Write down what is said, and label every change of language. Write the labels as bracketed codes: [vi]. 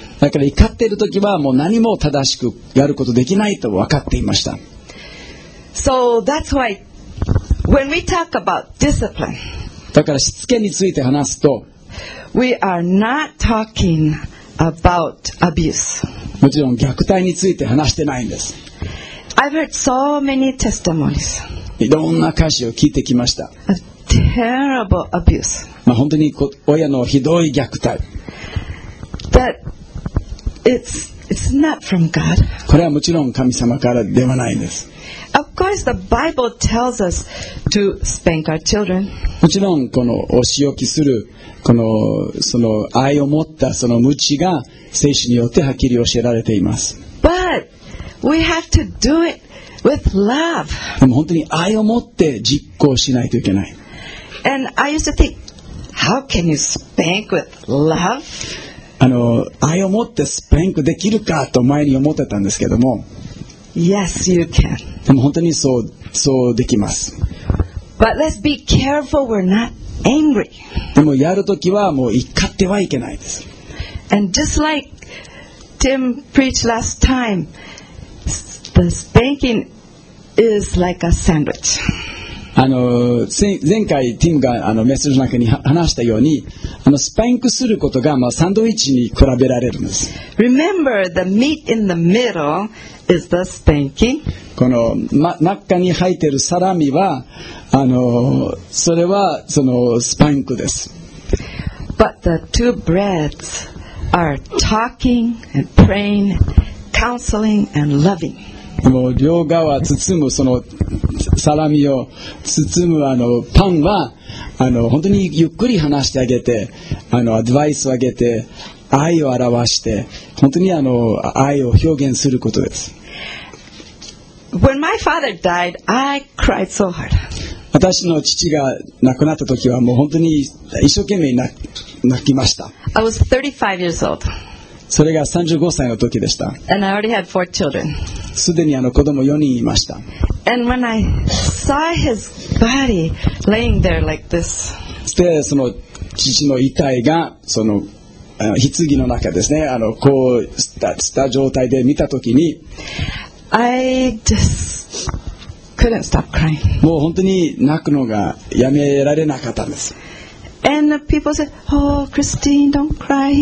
[ja] だから怒っている時はもう何も正しくやることできないと分かっていました。 [en] So that's why when we talk about discipline, [ja] だからしつけについて話すと、 [en] we are not talking about abuse. [ja] もちろん虐待について話してないんです。 [en] I've heard so many testimonies. [ja] いろんな歌詞を聞いてきました。 [en] A terrible abuse. [ja] まあ本当に親のひどい虐待。 [en] That it's not from God. [ja] これはもちろん神様からではないんです。 [en] Of course, the Bible tells us to spank our children. [ja] もちろんこのお仕置きするこのその愛を持ったその無知が聖書によってはっきり教えられています。 [en] But we have to do it with love. [ja] でも本当に愛を持って実行しないといけない。 [en] And I used to think, how can you spank with love? [ja] あの愛を持ってスパンクできるかと前に思ってたんですけども。 [en] Yes, you can. [ja] でも本当にそうできます。 [en] But let's be careful we're not angry. [ja] でもやるときはもう怒ってはいけないです。 [en] And just like Tim preached last time. The spanking is like a sandwich. [ja] あの前回ティムがあのメッセージの中に話したようにあのスパンクすることが、まあ、サンドイッチに比べられるんです。 [en] Remember, the meat in the middle is the spanking. [ja] この、ま、中に入っているサラミはあのそれはそのスパンクです。 [en] But the two breads are talking and praying, counseling and loving. [ja] もう両側包むそのサラミを包むあのパンはあの本当にゆっくり話してあげてあのアドバイスをあげて愛を表して本当にあの愛を表現することです。 [en] When my father died, I cried so hard. [ja] 私の父が亡くなった時はもう本当に一生懸命泣きました。 [en] I was 35 years old. [ja] それが35歳の時でした。 [en] And I already had four children. [ja] すでにあの子供4人いました。 [en] And when I saw his body laying there like this. [ja] そしてその父の遺体がその棺の中ですね、あのこうした状態で見た時に、 [en] I just couldn't stop crying. [ja] もう本当に泣くのがやめられなかったんです。 [en] And the people said, "Oh, Christine, don't cry.